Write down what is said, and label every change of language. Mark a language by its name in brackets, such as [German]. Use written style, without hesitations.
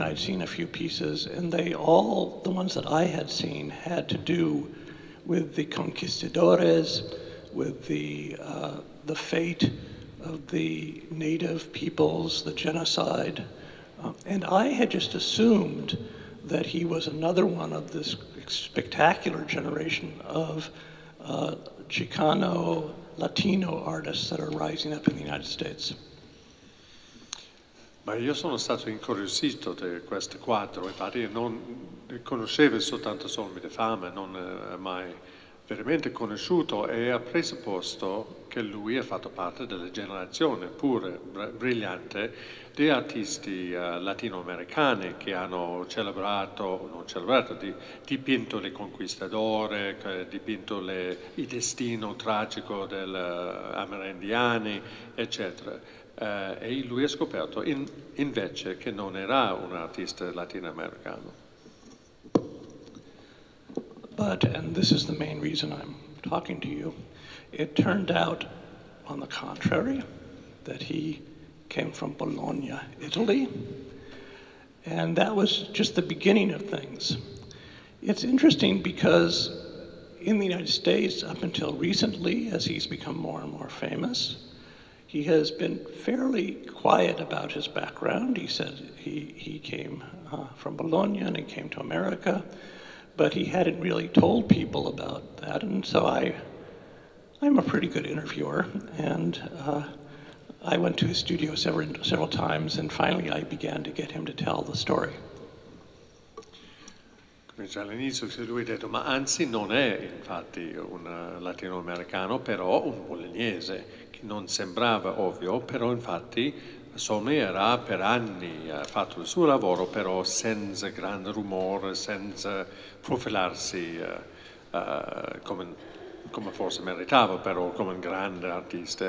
[English] I'd seen a few pieces, and they all, the ones that I had seen, had to do with the conquistadores, with the fate of the native peoples, the genocide. And I had just assumed that he was another one of this spectacular generation of Chicano Latino artists that are rising up in the United States. [Italian] Ma io sono stato incuriosito di questo quadro, infatti non conoscevo soltanto Solmi di fama, non mai veramente conosciuto, e ha presupposto che lui ha fatto parte della generazione pure brillante di artisti latinoamericani che hanno celebrato, non celebrato, dipinto le conquistadore, dipinto il destino tragico degli amerindiani, eccetera. E lui ha scoperto invece che non era un artista latinoamericano. [English] But, and this is the main reason I'm talking to you, it turned out, on the contrary, that he came from Bologna, Italy. And that was just the beginning of things. It's interesting because in the United States, up until recently, as he's become more and more famous, he has been fairly quiet about his background. He said he came from Bologna and he came to America, but he hadn't really told people about that. And so I'm a pretty good interviewer, and I went to his studio several times, and finally I began to get him to tell the story. [Italian] Come già all'inizio lui ha detto, ma anzi non è infatti un latinoamericano, però un bolognese, che non sembrava ovvio, però infatti Solmi era per anni fatto il suo lavoro, però senza grande rumore, senza profilarsi come forse meritava, però come un grande artista.